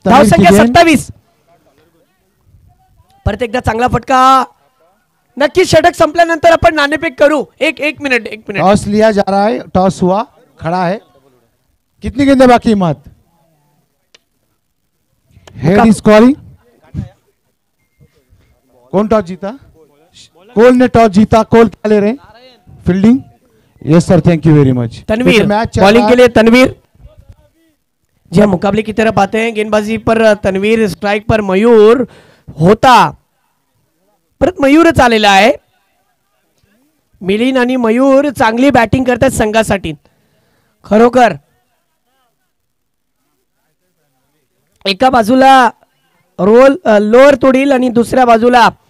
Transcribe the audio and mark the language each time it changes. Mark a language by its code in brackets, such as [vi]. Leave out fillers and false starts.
[mr] धाव संख्या 27 परत एकदा चांगला फटका नक्की षटक संपल्यानंतर आपण नाणेफेक करू एक मिनिट [hi] टॉस लिया जा रहा है टॉस हुआ खड़ा है कितनी गेंदें बाकी मत हेड इज कॉलिंग कौन टॉस जीता कोल ने टॉस जीता कोल क्या ले रहे fielding [en] yes sir thank you very much [hi] Tanveer bowling के लिए तनवीर जी हम मुकाबले की तरफ आते हैं गेंदबाजी पर तनवीर स्ट्राइक पर मयूर होता [mr] परत मयूरच आलेला आहे मिलिन आणि मयूर चांगली बॅटिंग करतात संघासाठी खरोखर एका बाजूला रोल लोअर तोडील आणि दुसऱ्या बाजूला